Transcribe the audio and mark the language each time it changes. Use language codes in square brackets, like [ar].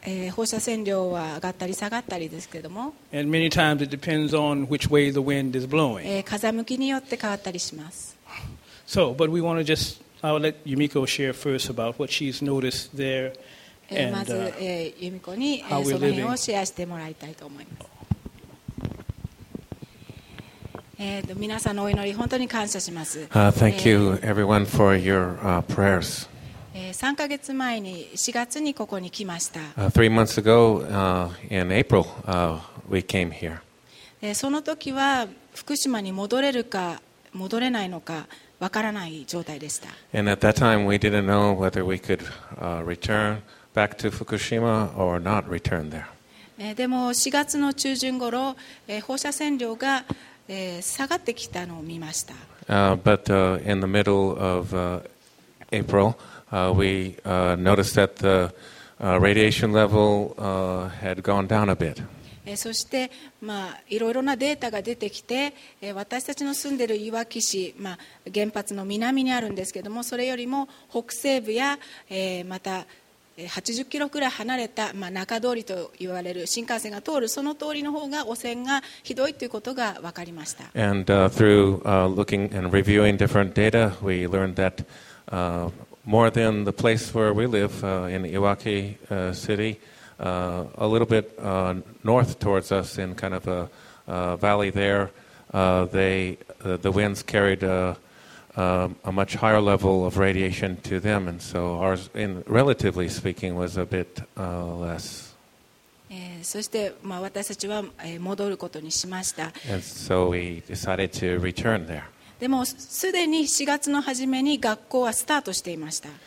[ja] 放射線量は上がったり下がったりですけれども [en] And many times it depends on which way the wind is blowing. [ja] 風向きによって変わったりします。 [en] So, but we want to just, I'll let Yumiko share first about what she's noticed there and [ja] まず、Yumiko に、 [en] how we're living. [ja] その辺をシェアしてもらいたいと思います。皆さんのお祈り本当に感謝します。 [en] Thank you everyone for your prayers. [ja] 3ヶ月前に4月にここに来ました。 [en] 3 months ago, in April, we came here. [ja] その時は福島に戻れるか戻れないのかわからない状態でした。 [en] And at that time, we didn't know whether we could return back to Fukushima or not return there. [ja] でも4月の中旬頃、放射線量が下がってきたのを見ました。 [en] But in the middle of April, we noticed that the radiation level had gone down a bit. [ja] そしていろいろなデータが出てきて、私たちの住んでいるいわき市、原発の南にあるんですけども、それよりも北西部や、また80キロくらい離れた、中通りと言われる新幹線が通るその通りの方が汚染がひどいということが分かりました。 [en] And through looking and reviewing different data, we learned that more than the place where we live in Iwaki City, a little bit north towards us in kind of a valley there, the winds carried a much higher level of radiation to them, and so ours, in relatively speaking, was a bit less. [ja] そして、私たちは、戻ることにしました。 [en] And so we decided to return there. [ja] でも、すでに4月の初めに学校はスタートしていました。